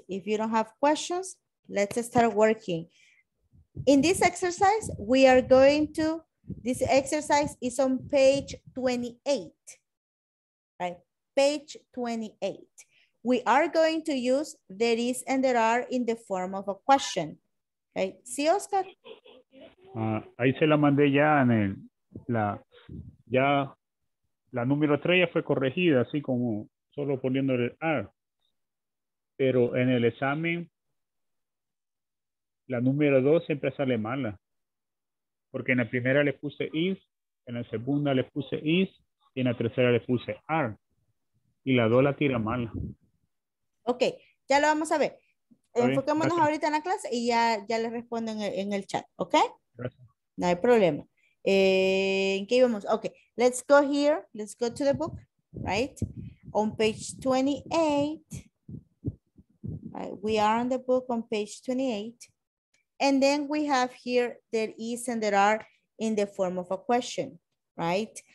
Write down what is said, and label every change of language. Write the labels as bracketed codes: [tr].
[en] If you don't have questions, let's start working. In this exercise, we are going to, this exercise is on page 28, right? Page 28. We are going to use there is and there are in the form of a question, right? [es] ¿Sí, Oscar? Ahí se la mandé ya en el, la, ya, la número 3 ya fue corregida, así como solo poniendo el are. Pero en el examen, la número 2 siempre sale mala. Porque en la primera le puse is, en la segunda le puse is y en la tercera le puse are. Y la do la tira mala. Ok, ya lo vamos a ver. Enfoquémonos gracias. Ahorita en la clase y ya les respondo en el chat, ¿ok? Gracias. No hay problema. ¿En qué íbamos? [en] Ok, let's go here, let's go to the book, right? On page 28, right? We are on the book on page 28. And then we have here there is and there are in the form of a question, right?